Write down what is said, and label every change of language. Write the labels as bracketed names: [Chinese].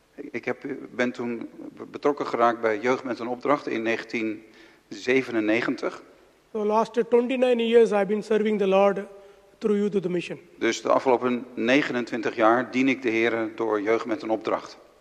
[Dutch] Ik ben toen betrokken geraakt bij Jeugd met een Opdracht in 1997. [English] So last 29 years I've been serving the Lord through Youth with the Mission. [Dutch] Dus de afgelopen 29 jaar dien ik de Here door Jeugd met een Opdracht.